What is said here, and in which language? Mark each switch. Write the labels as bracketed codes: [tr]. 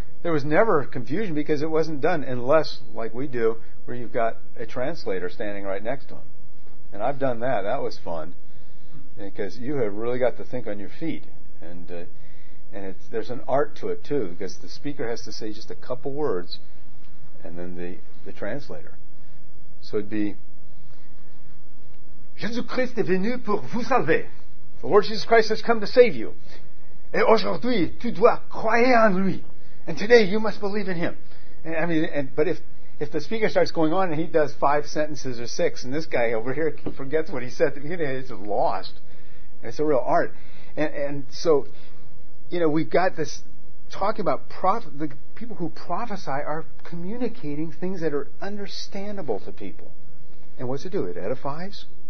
[en] There was never confusion because it wasn't done unless, like we do, where you've got a translator standing right next to him. And I've done that. That was fun because you have really got to think on your feet. And there's an art to it too because the speaker has to say just a couple words and then the translator. So it'd be, [fr] Jésus-Christ est venu pour vous sauver. [en] The Lord Jesus Christ has come to save you. [fr] Et aujourd'hui, tu dois croire en lui. [en] And today, you must believe in him. And, I mean, but if the speaker starts going on and he does five sentences or six, and this guy over here forgets what he said, he's just lost. And it's a real art. And so, you know, we've got this talking about the people who prophesy are communicating things that are understandable to people. And what's it do? It edifies.